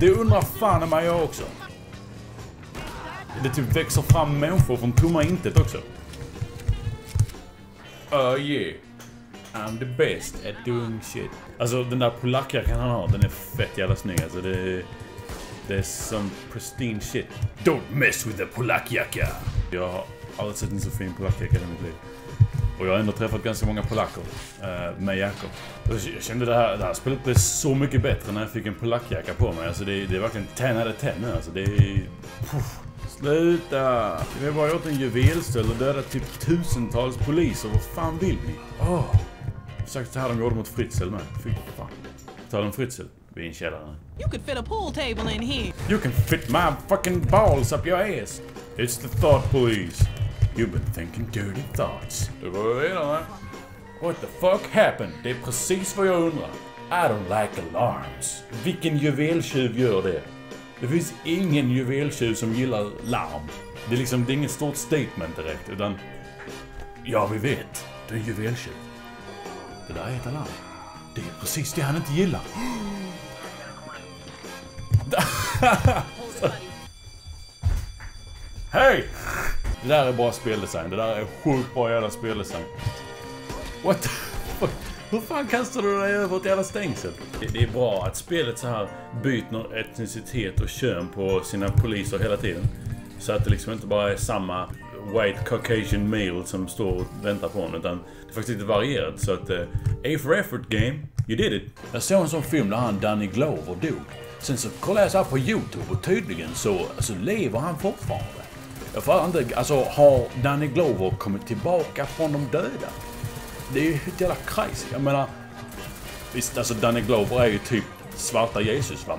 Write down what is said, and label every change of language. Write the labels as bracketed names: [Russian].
[Swedish] Det undrar fan om jag också. Det typ växer fram människor från tomma intet också. [English] Yeah. I'm the best at doing shit. [Swedish] Alltså den där polackjackan han har, den är fett jävla snygg. Alltså det är [English] some pristine shit. Don't mess with the polackjacka. [Swedish] Jag har aldrig sett en så fin polackjacka i mitt liv. Och jag har ändå träffat ganska många polacker med jackor. Jag kände att det här spelet blev så mycket bättre när jag fick en polackjacka på mig. Alltså det är verkligen [English] 10 out of 10 [Swedish] nu. Alltså det är... Puff. Sluta! Vi har bara gjort en juvelstöld och dödat typ tusentals poliser. Vad fan vill ni? Åh! Sagt så här de gjorde mot Fritzel med. Fy fan. Tal om Fritzel. Vi är i en källare. [English] You can fit a pool table in here. You can fit my fucking balls up your ass. It's the thought police. You've been thinking dirty thoughts. [Swedish] Då går vi vidare. [English] What the fuck happened? [Swedish] Det är precis vad jag undrar. [English] I don't like alarms. [Swedish] Vilken juveltjuv gör det? Det finns ingen juveltjuv som gillar larm. Det är liksom, det är inget stort statement direkt, utan... Ja, vi vet. Du är juveltjuv. Det där är ett alarm. Det är precis det han inte gillar. Hej! Det där är bra speldesign. Det där är sjukt bra jävla speldesign. [English] What the fuck? [Swedish] Hur fan kastar du dig över ett jävla stängsel? Det är bra att spelet så här byter etnicitet och kön på sina poliser hela tiden. Så att det liksom inte bara är samma [English] white caucasian male [Swedish] som står och väntar på honom. Utan det är faktiskt lite varierat. Så att [English] A for effort game, you did it. [Swedish] Jag såg en sån film där han Danny Glover dog. Sen så kollade jag så här på YouTube och tydligen så alltså, lever han fortfarande. Jag fattar inte, alltså har Danny Glover kommit tillbaka från de döda? Det är ju ett jävla crazy, jag menar... Visst, alltså Danny Glover är ju typ svarta Jesus va?